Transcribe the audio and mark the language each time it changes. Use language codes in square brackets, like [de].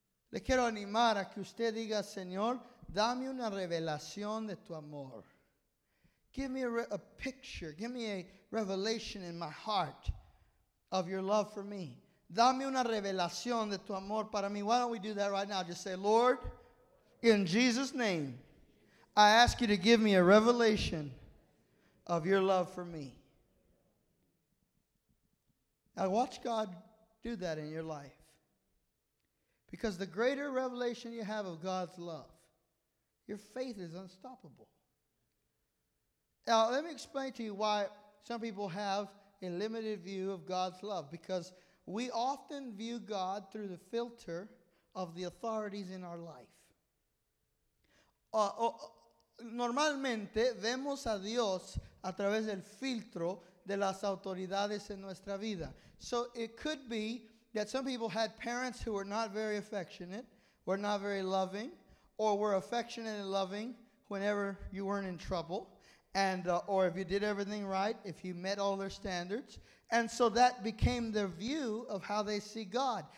[es] Le quiero animar a que usted diga, Señor, dame una revelación de tu amor. [en] Give me a picture, give me a revelation in my heart of your love for me. [es] Dame una revelación de tu amor para mí. [en] Why don't we do that right now? Just say, Lord, in Jesus' name, I ask you to give me a revelation of your love for me. Now watch God do that in your life. Because the greater revelation you have of God's love, your faith is unstoppable. Now, let me explain to you why some people have a limited view of God's love. Because we often view God through the filter of the authorities in our life. [es] Normalmente vemos a Dios a través del filtro de las autoridades en nuestra vida. [en] So it could be that some people had parents who were not very affectionate, were not very loving, or were affectionate and loving whenever you weren't in trouble, or if you did everything right, if you met all their standards. And so that became their view of how they see God.